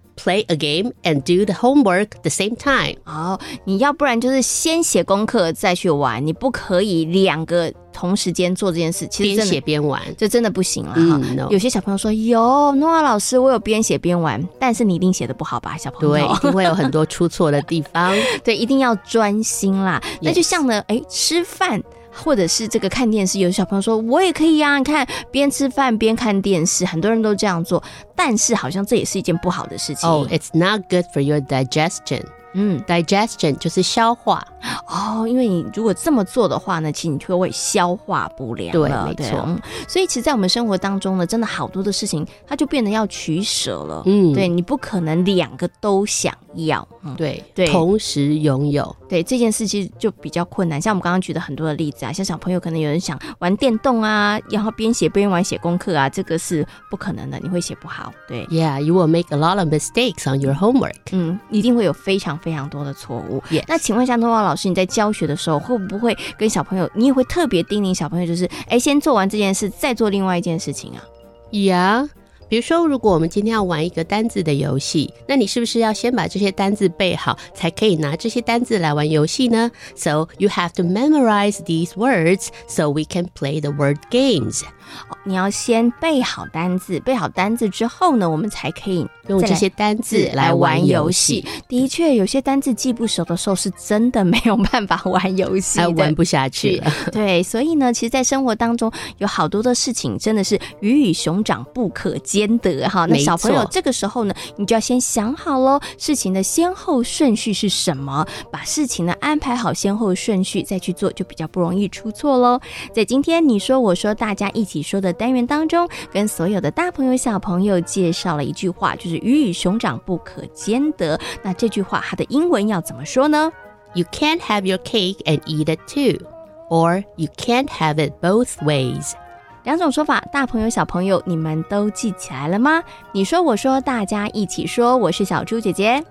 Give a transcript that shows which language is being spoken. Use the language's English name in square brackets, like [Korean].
[English] Play a game and do the homework the same time. [Chinese] 哦，你要不然就是先写功课再去玩，你不可以两个同时间做这件事。其实边写边玩，这真的不行了。有些小朋友说：“哟，诺亚老师，我有边写边玩，但是你一定写的不好吧，小朋友？” 对，一定会有很多出错的地方。对，一定要专心啦。那就像呢，吃饭。或者是这个看电视，有小朋友说我也可以啊，你看边吃饭边看电视，很多人都这样做，但是好像这也是一件不好的事情。 [English] Oh, it's not good for your digestion. Digestion [Chinese] 就是消化。哦，因为你如果这么做的话呢，其实你就会消化不良了。对，没错。所以其实在我们生活当中呢，真的好多的事情它就变得要取舍了。对，你不可能两个都想要。对，同时拥有。对，这件事其实就比较困难。像我们刚刚举的很多的例子啊，像小朋友可能有人想玩电动啊，然后边写边玩写功课啊，这个是不可能的，你会写不好。对。 [English] Yeah, you will make a lot of mistakes on your homework. [Chinese] 一定会有非常非常多的错误。 [English] Yes. [Chinese] 那请问一下诺亚老师，你在教学的时候会不会跟小朋友，你也会特别叮咛小朋友，就是先做完这件事再做另外一件事情啊？ Yeah, 比如说如果我们今天要玩一个单字的游戏，那你是不是要先把这些单字背好才可以拿这些单字来玩游戏呢？ [English] So you have to memorize these words so we can play the word games. [Chinese] 你要先背好单字，背好单字之后呢，我们才可以用这些单字来玩游戏。的确，有些单字记不熟的时候，是真的没有办法玩游戏的，还玩不下去了。对，所以呢，其实，在生活当中有好多的事情，真的是鱼与熊掌不可兼得哈。那小朋友这个时候呢，你就要先想好喽，事情的先后顺序是什么，把事情呢安排好先后顺序再去做，就比较不容易出错喽。在今天你说我说大家一起说的单元当中，跟所有的大朋友小朋友介绍了一句话，就是。鱼与熊掌不可兼得，那这句话它的英文要怎么说呢？ [English] You can't have your cake and eat it too, or you can't have it both ways. [Chinese] 两种说法，大朋友小朋友你们都记起来了吗？你说我说大家一起说，我是小猪姐姐。